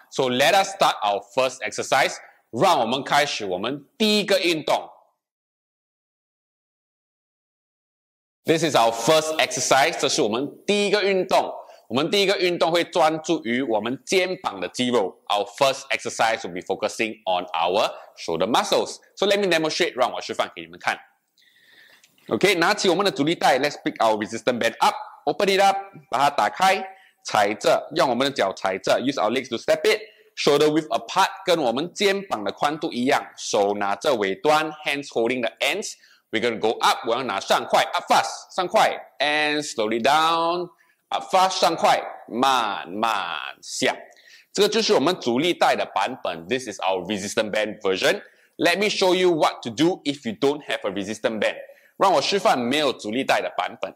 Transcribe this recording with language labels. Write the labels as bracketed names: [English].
[English] So let us start our first exercise. [Chinese] 让我们开始我们第一个运动。 [English] This is our first exercise. [Chinese] 这是我们第一个运动。我们第一个运动会专注于我们肩膀的肌肉。 [English] Our first exercise will be focusing on our shoulder muscles. So let me demonstrate. [Chinese] 让我示范给你们看。Okay, 拿起我们的阻力带。 [English] Let's pick our resistance band up. Open it up. [Chinese] 把它打开。踩着，用我们的脚踩着 ， [English] use our legs to step it. Shoulder width apart, [Chinese] 跟我们肩膀的宽度一样。手拿着尾端 [English] ，hands holding the ends. We're gonna go up. [Chinese] 我要拿上快 ， [English] up fast, [Chinese] 上快 ， [English] and slowly down, up fast, [Chinese] 上快，慢慢下。这个就是我们阻力带的版本。 [English] This is our resistance band version. Let me show you what to do if you don't have a resistance band. [Chinese] 让我示范没有阻力带的版本。